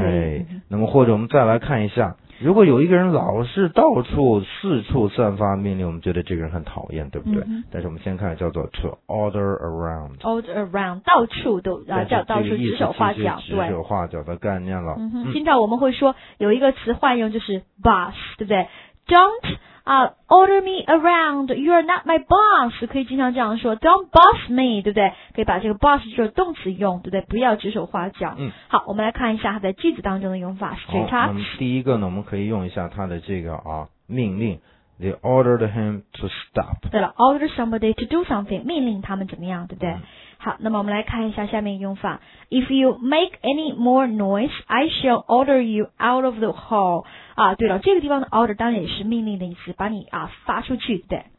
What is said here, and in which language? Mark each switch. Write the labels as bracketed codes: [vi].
[zh] 哎、那么或者我们再来看一下，如果有一个人老是到处四处散发命令，我们觉得这个人很讨厌，对不对、嗯、但是我们先看叫做 [en] to order around, order around [zh] 到处都叫到处指手画脚，指手画脚的概念了、嗯、经常我们会说有一个词换用就是 boss, 对不对？ [en] don'torder me around, you are not my boss, [zh] 可以经常这样说 [en] don't boss me, [zh] 对不对？可以把这个 boss 就是动词用，对不对？不要指手画脚、嗯、好，我们来看一下它在句子当中的用法。好，那么第一个呢我们可以用一下它的这个啊命令， [en] they ordered him to stop, [zh] 对了， [en] order somebody to do something, [zh] 命令他们怎么样，对不对、嗯、好，那么我们来看一下下面用法， [en] if you make any more noise, I shall order you out of the hall, [zh] 啊，对了，这个地方的 order 当然也是命令的意思，把你啊发出去，对。